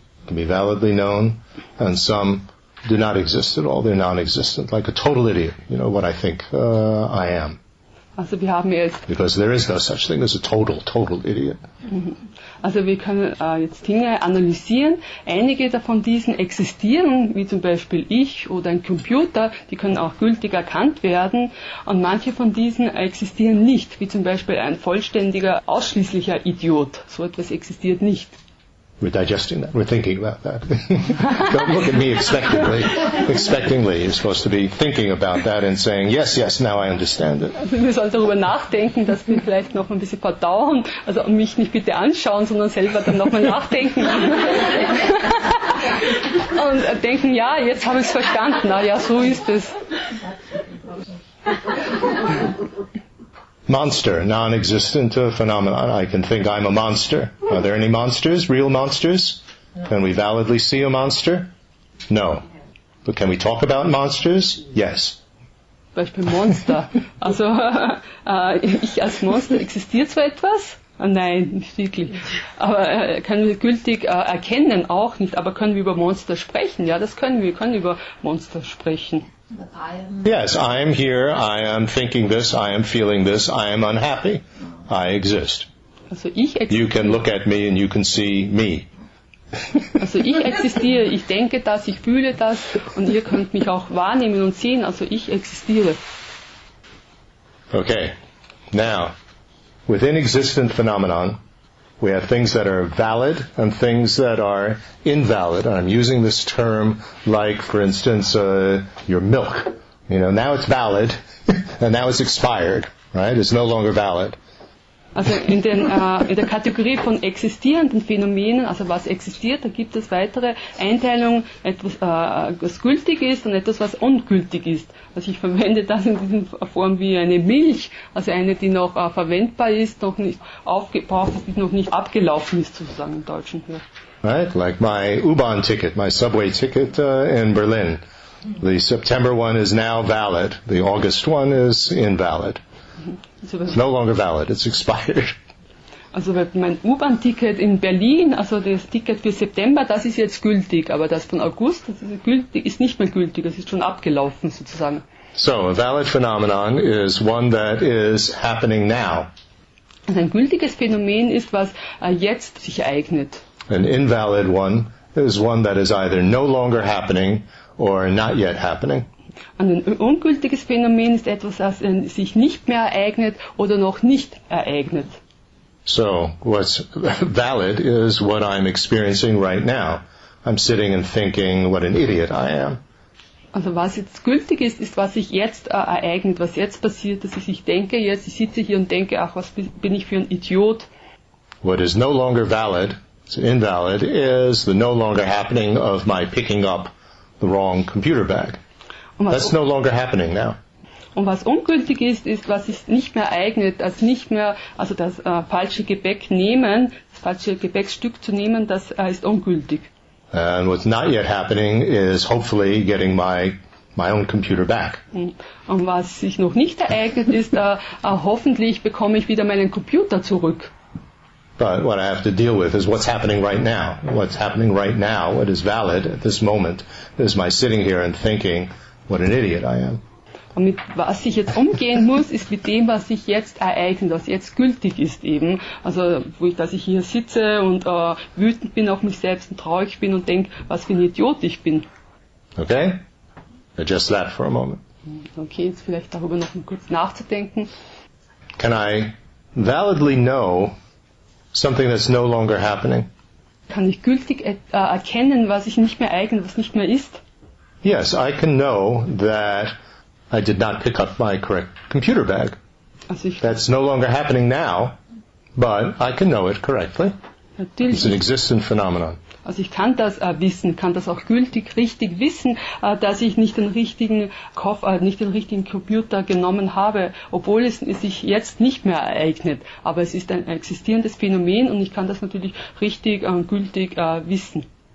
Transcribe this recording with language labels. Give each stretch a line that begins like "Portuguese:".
English: Can be validly known, and some do not exist at all. They're non-existent, like a total idiot. You know what I think I am.
German: Also, wir haben jetzt.
English: Because there is no such thing as a total idiot.
German: Also, wir können jetzt Dinge analysieren. Einige davon diesen existieren, wie zum Beispiel ich oder ein Computer. Die können auch gültig erkannt werden. Und manche von diesen existieren nicht, wie zum Beispiel ein vollständiger ausschließlicher Idiot. So etwas existiert nicht.
English: We're digesting that. We're thinking about that. Don't look at me expectantly. You're supposed to be thinking about that and saying, yes, yes, now I understand it.
German: Wir sollen darüber nachdenken, dass wir vielleicht noch ein bisschen verdauen. Also mich nicht bitte anschauen, sondern selber dann nochmal nachdenken. Und denken, ja, jetzt habe ich es verstanden. Na ja, so ist es.
English: Monster, non-existent phenomenon. I can think I'm a monster. Are there any monsters, real monsters? Can we validly see a monster? No. But can we talk about monsters? Yes.
German: Beispiel Monster. Also, ich als Monster, existiert so etwas? Nein, nicht wirklich. Aber können wir gültig erkennen? Auch nicht. Aber können wir über Monster sprechen? Ja, das können wir. Wir können über Monster sprechen.
English: Yes, I am here, I am thinking this, I am feeling this, I am unhappy. I exist.
German: Also ich existiere.
English: You can look at me and you can see me.
German: Also ich existiere, ich denke das, ich fühle das und ihr könnt mich auch wahrnehmen und sehen, also ich existiere.
English: Okay, now, within existent phenomenon, we have things that are valid and things that are invalid. I'm using this term like, for instance, your milk. You know, now it's valid and now it's expired, right? It's no longer valid.
German: Also in der Kategorie von existierenden Phänomenen, also was existiert, da gibt es weitere Einteilungen, etwas, was gültig ist und etwas, was ungültig ist. Also ich verwende das in dieser Form wie eine Milch, also eine, die noch verwendbar ist, noch nicht aufgebraucht ist, die noch nicht abgelaufen ist, sozusagen im Deutschen.
English: Right, like my U-Bahn ticket, my subway ticket in Berlin. The September one is now valid, the August one is invalid. It's no longer valid, it's expired.
German: Also mein U-Bahn-Ticket in Berlin, also das Ticket für September, das ist jetzt gültig, aber das von August, das ist gültig, ist nicht mehr gültig, das ist schon abgelaufen sozusagen.
English: So, a valid phenomenon is one that is happening now.
German: Also ein gültiges Phänomen ist, was jetzt sich ereignet.
English: An invalid one is one that is either no longer happening or not yet happening.
German: Und ein ungültiges Phänomen ist etwas, das sich nicht mehr ereignet oder noch nicht ereignet.
English: So, what's valid is what I'm experiencing right now. I'm sitting and thinking, what an idiot I am.
German: Also was jetzt gültig ist, ist was sich jetzt ereignet, was jetzt passiert, dass ich denke, jetzt ich sitze hier und denke, ach, was bin ich für ein Idiot.
English: What is no longer valid So invalid is the no longer happening of my picking up the wrong computer bag. That's no longer happening now.
German: Und was ungültig ist, ist, was sich nicht mehr eignet, also nicht mehr, also das falsche Gepäck nehmen, das falsche Gepäckstück zu nehmen, das ist ungültig.
English: And what's not yet happening is hopefully getting my own computer back.
German: Und was sich noch nicht ereignet ist, hoffentlich bekomme ich wieder meinen Computer zurück.
English: But what I have to deal with is what's happening right now. What's happening right now, what is valid at this moment, is my sitting here and thinking, what an idiot I am.
German: Und mit was ich jetzt umgehen muss, ist mit dem, was sich jetzt ereignet, was jetzt gültig ist eben. Also, dass ich hier sitze und wütend bin auf mich selbst und traurig bin und denke, was für ein Idiot ich bin.
English: Okay? Adjust that for a moment.
German: Okay, jetzt vielleicht darüber noch kurz nachzudenken.
English: Can I validly know something that's no longer happening?
German: Kann ich gültig erkennen, was sich nicht mehr ereignet, was nicht mehr ist?
English: Yes, I can know that I did not pick up my correct computer bag. That's no longer happening now, but I can know it correctly.
German: Natürlich.
English: It's an existent phenomenon.
German: Also ich kann das wissen, kann das auch gültig richtig wissen, dass ich nicht den richtigen Computer genommen habe, obwohl es sich jetzt nicht mehr ereignet. Aber es ist ein existierendes Phänomen und ich kann das natürlich richtig gültig wissen.